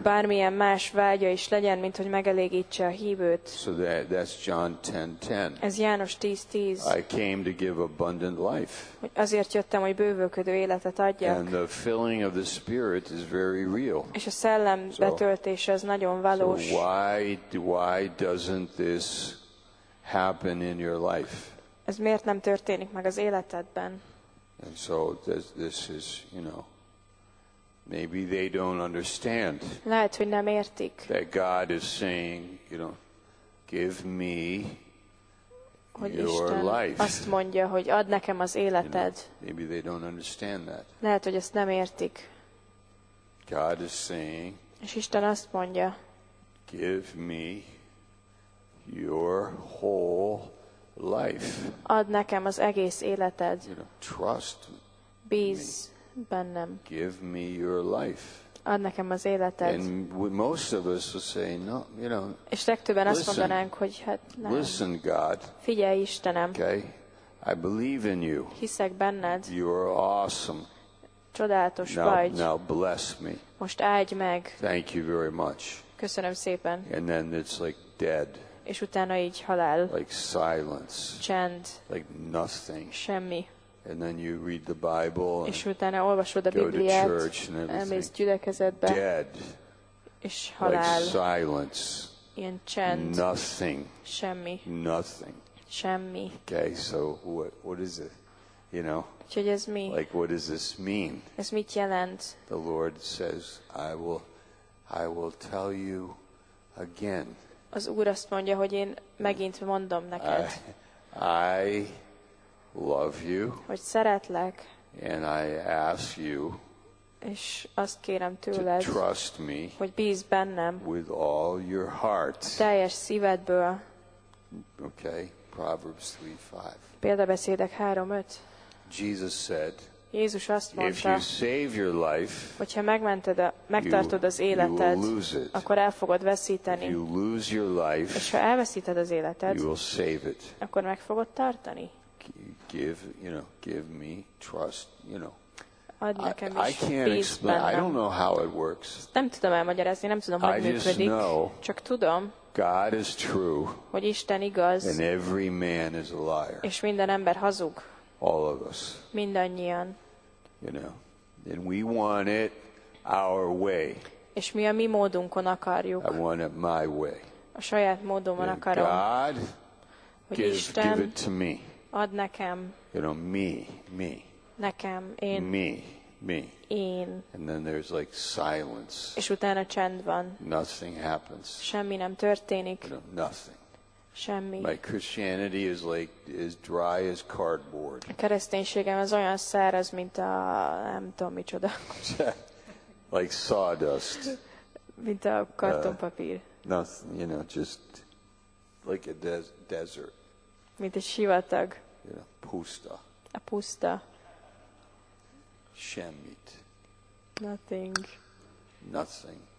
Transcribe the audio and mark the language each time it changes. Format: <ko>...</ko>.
<hu>Bármilyen más vágya is legyen, mint hogy megelégítse a hívőt.</hu> <en>So that's John 10:10.</en> <hu>Ez János 10:10.</hu> <en>I came to give abundant life.</en> <hu>Azért jöttem, hogy bővölködő életet adjak.</hu> <en>And the filling of the Spirit is very real.</en> <hu>És a szellem betöltése az nagyon valós.</hu> <en>So why doesn't this happen in your life?</en> <hu>Ez miért nem történik meg az életedben?</hu> <en>And so this is, you know, maybe they don't understand.</en> <hu>Lehet, hogy nem értik.</hu> <en>That God is saying, you know, give me your life.</en> <hu>Azt mondja, hogy add nekem az életed.</hu> <en>You know, maybe they don't understand that.</en> <hu>Lehet, hogy ezt nem értik.</hu> <en>God is saying.</en> <hu>És Isten azt mondja.</hu> <en>Give me your whole life.</en> <hu>Add nekem az egész életed.</hu> <en>You know, trust me.</en> <hu>Bíz bennem.</hu> <en>Give me your life.</en> <hu>Add nekem az életed.</hu> <en>And most of us will say, no, you know.</en> <hu>És legtöbben azt mondanánk, hogy hát nem.</hu> <en>Listen, God.</en> <hu>Figyelj, Istenem.</hu> <en>Okay. I believe in you.</en> <hu>Hiszek benned.</hu> <en>You are awesome.</en> <hu>Csodálatos vagy.</hu> <en>Now bless me.</en> <hu>Most áldj meg.</hu> <en>Thank you very much.</en> <hu>Köszönöm szépen.</hu> <en>And then it's like dead.</en> <hu>És utána így halál.</hu> <en>Like silence.</en> <hu>Csend.</hu> <en>Like nothing.</en> <hu>Semmi.</hu> <en>And then you read the Bible.</en> <hu>És utána olvasod a Bibliát. Elmész gyülekezetbe.</hu> <en>Dead.</en> <hu>És halál.</hu> <en>Like silence.</en> <hu>Ilyen csend.</hu> <en>Nothing.</en> <hu>Semmi.</hu> <en>Nothing.</en> <hu>Semmi.</hu> <en>Okay, so what is it? You know?</en> <hu>Úgyhogy ez mi?</hu> <en>Like, what does this mean?</en> <hu>Ez mit jelent?</hu> <en>The Lord says, I will tell you again.</en> <hu>Az Úr azt mondja, hogy én megint mondom neked.</hu> <en>I love you.</en> <hu>Hogy szeretlek.</hu> <en>And I ask you.</en> <hu>És azt kérem tőled.</hu> <en>To trust me.</en> <hu>Hogy bízz bennem.</hu> <en>With all your heart.</en> <hu>Teljes szívedből.</hu> <en>Okay, Proverbs 3:5.</en> <hu>Példabeszédek 3:5.</hu> <en>Jesus said.</en> <hu>Jézus azt mondta,</hu> <en>if you save your life,</en> <hu>hogyha megmented, megtartod az életed, akkor el fogod veszíteni.</hu> <en>If you lose your life,</en> <hu>és ha elveszíted az életed,</hu> <en>you will save it.</en> <hu>Akkor meg fogod tartani.</hu> <en>Give, you know, give me trust, you know.</en> <hu>Add nekem is bíz bennem.</hu> <en>I don't know how it works.</en> <hu>Nem tudom elmagyarázni, nem tudom, hogy működik. Csak tudom,</hu> <en>God is true,</en> <hu>hogy Isten igaz,</hu> <en>and every man is a liar.</en> <hu>És minden ember hazug.</hu> <en>All of us.</en> <hu>Mindannyian.</hu> <en>You know, and we want it our way.</en> <hu>És mi a mi módunkon akarjuk.</hu> <en>I want it my way.</en> <hu>A saját módomon</hu> <en>and</en> <hu>akarom.</hu> <en>God,</en> <hu>hogy Isten,</hu> <en>give it to me.</en> <hu>Ad nekem.</hu> <en>You know, me.</en> <hu>Nekem, én.</hu> <en>Me.</en> <hu>Én.</hu> <en>And then there's like silence.</en> <hu>És utána csend van.</hu> <en>Nothing happens.</en> <hu>Semmi nem történik.</hu> <en>You know, nothing.</en> <hu>Semmi.</hu> <en>My Christianity is like as dry as cardboard.</en> <hu>A kereszténységem az olyan száraz, mint a nem tudom micsoda.</hu> <en>Like sawdust.</en> <hu>Mint a kartonpapír.</hu> <en>Nothing, you know, just like a desert.</en> <hu>Mint egy sivatag.</hu> <en>You know, puszta.</en> <hu>A puszta. Semmit.</hu> <en>Nothing. Nothing.</en>